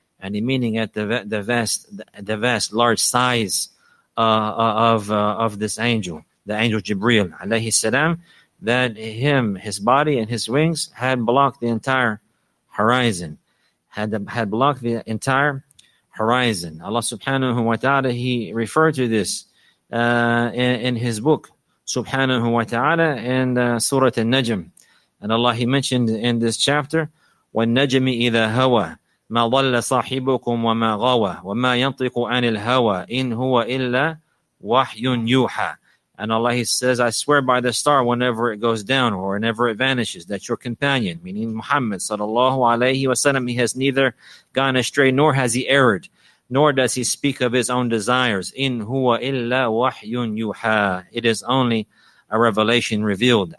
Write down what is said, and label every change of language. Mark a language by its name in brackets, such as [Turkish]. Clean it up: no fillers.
[English] And meaning at the vast large size of this angel, the angel Jibreel alayhi salam, that him, his body and his wings had blocked the entire horizon, had blocked the entire horizon. Allah subhanahu wa ta'ala, he referred to this in his book, subhanahu wa ta'ala, in Surah Al-Najm. And Allah, he mentioned in this chapter, [Arabic] وَالنَّجْمِ إِذَا هَوَى مَا ضَلَّ صَاحِبُكُمْ وَمَا غَوَى وَمَا يَنْطِقُ عَنِ الْهَوَى إِنْ هُوَ إِلَّا وَحْيٌ يُوحَى. [English] And Allah, he says, I swear by the star, whenever it goes down or whenever it vanishes, that your companion, meaning Muhammad sallallahu alayhi wasallam, he has neither gone astray nor has he erred, nor does he speak of his own desires. [Arabic] In huwa illa wahyun yuha. [English] It is only a revelation revealed.